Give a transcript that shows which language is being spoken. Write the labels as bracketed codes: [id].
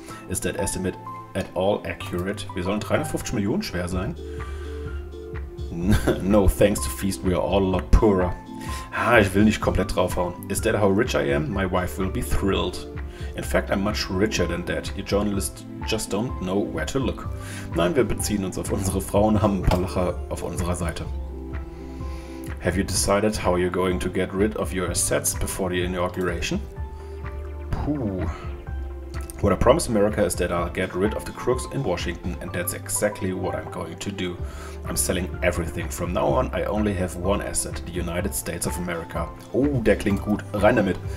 [en] Is that estimate at all accurate? [de] Wir sollen 350 Millionen schwer sein? [en] No, thanks to Feast, we are all a lot poorer. [de] Ah, ich will nicht komplett draufhauen. [en] Is that how rich I am? My wife will be thrilled. In fact, I'm much richer than that. Your journalists just don't know where to look. [de] Nein, wir beziehen uns auf unsere Frauen und haben ein paar Lacher auf unserer Seite. [en] Have you decided how you're going to get rid of your assets before the inauguration? Puh. What I promise America is that I'll get rid of the crooks in Washington, and that's exactly what I'm going to do. I'm selling everything. From now on, I only have one asset, the United States of America. [de] Oh, der klingt gut. Rein damit.